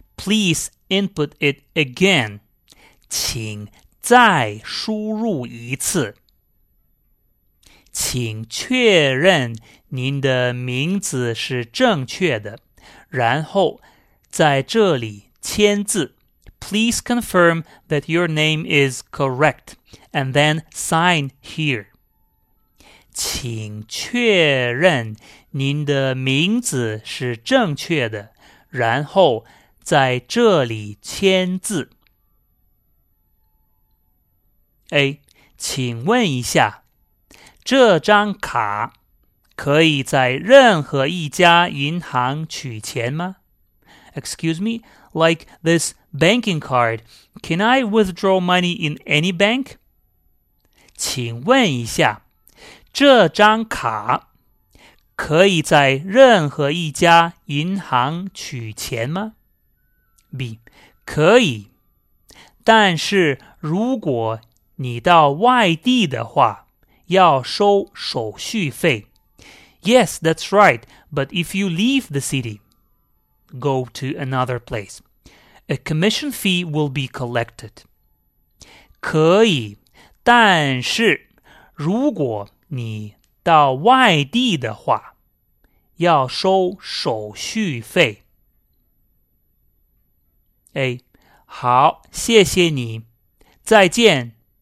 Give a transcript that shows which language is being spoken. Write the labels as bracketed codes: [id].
[en] Please input it again. [zh] 请再输入一次。请确认您的名字是正确的，然后在这里签字。 [en] Please confirm that your name is correct, and then sign here. [zh] 请确认您的名字是正确的，然后在这里签字。 [en] A. [zh] 请问一下，这张卡可以在任何一家银行取钱吗？ [en] Excuse me, like this banking card, can I withdraw money in any bank? [zh] 请问一下，这张卡可以在任何一家银行取钱吗？ [en] B. [zh] 可以，但是如果你到外地的话，要收手续费。 [en] Yes, that's right. But if you leave the city, go to another place, a commission fee will be collected. [zh] 可以，但是如果你到外地的话，要收手续费。 A. 好，谢谢你。再见。